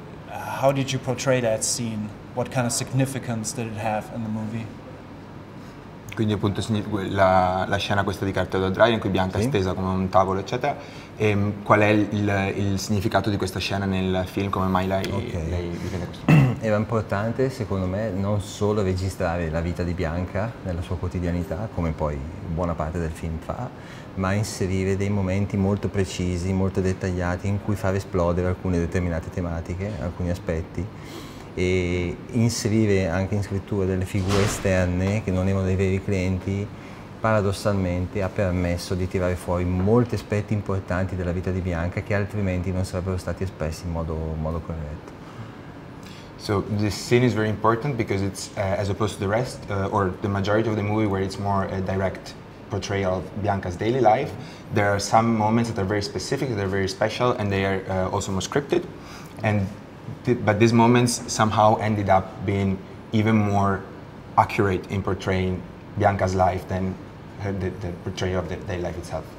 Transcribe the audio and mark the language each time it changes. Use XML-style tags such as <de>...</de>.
<en>How did you portray that scene? What kind of significance did it have in the movie?</en> <it>Quindi appunto la scena questa di Carl Theodor Dreyer in cui Bianca è stesa come un tavolo, eccetera. E qual è il significato di questa scena nel film? Come mai lei viene questo? Era importante, secondo me, non solo registrare la vita di Bianca nella sua quotidianità, come poi buona parte del film fa, ma inserire dei momenti molto precisi, molto dettagliati, in cui far esplodere alcune determinate tematiche, alcuni aspetti. E inserire anche in scrittura delle figure esterne che non erano dei veri clienti, paradossalmente ha permesso di tirare fuori molti aspetti importanti della vita di Bianca che altrimenti non sarebbero stati espressi in modo corretto.</it> <en>So this scene is very important because it's as opposed to the rest or the majority of the movie where it's more a direct portrayal of Bianca's daily life, there are some moments that are very specific, that are very special, and they are also more scripted. And but these moments somehow ended up being even more accurate in portraying Bianca's life than the portrayal of the daily life itself.</en>